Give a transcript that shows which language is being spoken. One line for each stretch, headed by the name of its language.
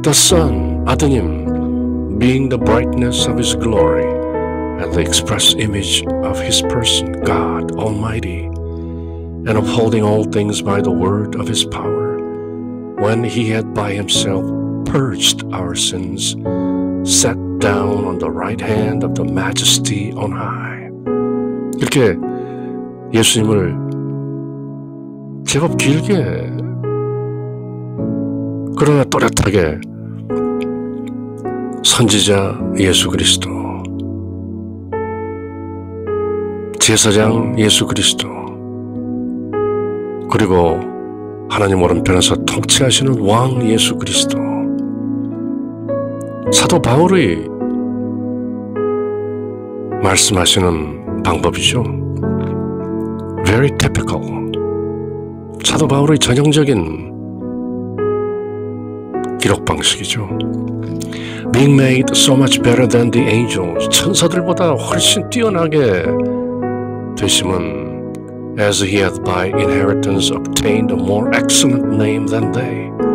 English: The Son,
Korean: 아드님,
English: being the brightness of his glory, and the express image of his person, God Almighty, and upholding all things by the word of his power, when he had by himself purged our sins, set down on the right hand of the majesty on high.
Korean: 이렇게 예수님을 제법 길게, 그러나 또렷하게, 선지자 예수 그리스도, 제사장 예수 그리스도, 그리고 하나님 오른편에서 통치하시는 왕 예수 그리스도, 사도 바울이 말씀하시는 방법이죠.
English: Very typical.
Korean: 사도 바울의 전형적인 기록 방식이죠.
English: Being made so much better than the angels,
Korean: 천사들보다 훨씬 뛰어나게 되심은
English: As he hath by inheritance obtained a more excellent name than they.